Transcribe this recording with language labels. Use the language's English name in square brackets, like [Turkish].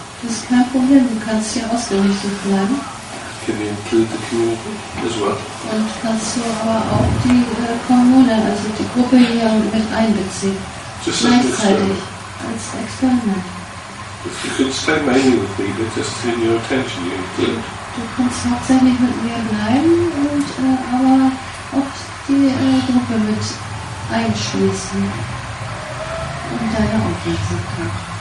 [German] Das ist kein Problem, du kannst hier ausgerichtet bleiben. [English] Can you include the community as well? [German] Und kannst du aber auch die Kommune, also die Gruppe hier mit einbeziehen. [English] Just [German] gleichzeitig. [English] As an experiment. If you could stay mainly with me, but just in your attention, you include. [German] Du kannst hauptsächlich mit mir bleiben, und aber auch die Gruppe mit einschließen und deine Aufmerksamkeit.